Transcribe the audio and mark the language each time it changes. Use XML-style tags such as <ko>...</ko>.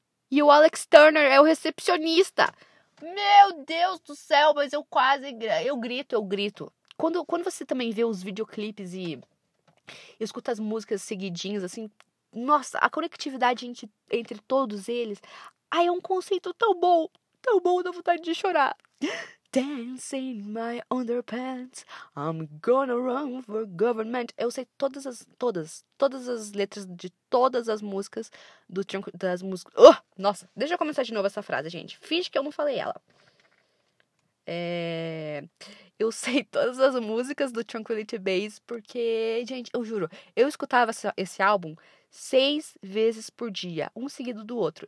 <pt>E o Alex Turner é o recepcionista. Meu Deus do céu, mas eu quase... Eu grito. Quando você também vê os videoclipes e escuta as músicas seguidinhas, assim... Nossa, a conectividade entre todos eles... Ai, é um conceito tão bom, dá vontade de chorar.</pt> <en>Dancing in my underpants, I'm gonna run for government.</en> <pt>Eu sei todas as letras de todas as músicas do das músicas. Oh, nossa, deixa eu começar de novo essa frase, gente. Finge que eu não falei ela. Eu sei todas as músicas do Tranquility Base porque, gente, eu juro, eu escutava esse álbum 6 vezes por dia, um seguido do outro.</pt>